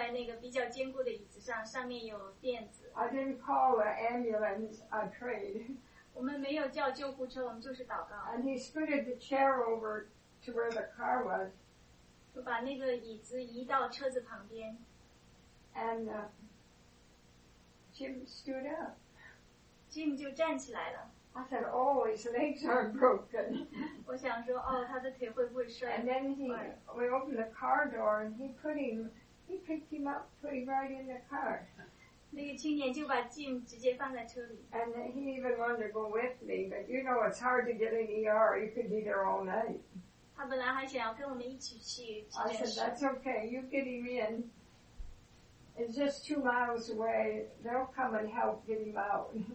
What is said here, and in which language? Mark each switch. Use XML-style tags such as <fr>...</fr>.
<zh>他们就把他放在那个比较坚固的椅子上，上面有垫子。</zh> <en>I didn't call an ambulance, I prayed.</en> <zh>我们没有叫救护车，我们就是祷告。</zh> <en>And he scooted the chair over to where the car was.</en> <zh>就把那个椅子移到车子旁边。</zh> <en>And Jim stood up.</en> <zh>Jim就站起来了。</zh> <en>I said, oh, his legs aren't broken.</en> <zh>我想说，哦，他的腿会不会摔？</zh> <en>And then we opened the car door, and he picked him up, put him right in the car.</en> <zh>那个青年就把Jim直接放在车里。</zh> <en>And he even wanted to go with me, but you know it's hard to get in ER, you could be there all night.</en> <zh>他本来还想要跟我们一起去。</zh> <en>I said, that's okay, you get him in. It's just 2 miles away, they'll come and help get him out.</en>